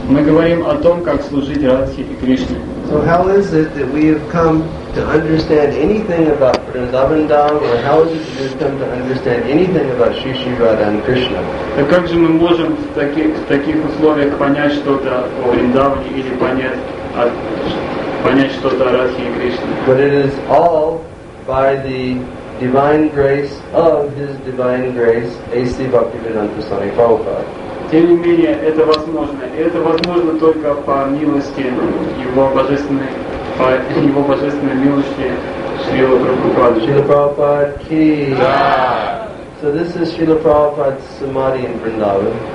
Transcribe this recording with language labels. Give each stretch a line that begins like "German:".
Russian: Мы говорим о том, как служить Радхе и Кришне.
English: So how is it that we have come to understand anything about Vrindavan Dham, or how is it that we have come to understand anything about Sri Sri Radha and Krishna?
Russian: Так как же мы можем в таких условиях понять что-то о Вриндаване или понять что-то о Радхе и Кришне?
English: But it is all by the divine grace of His divine grace, A.C. Bhaktivedanta Swami Prabhupada.
Russian: Тем не менее, это возможно. И это возможно только по милости Его божественной милости Шрилы Прабхупады.
English: Шрила Прабхупада ки. So this is Шрила Прабхупада Самадхи in Vrindavan.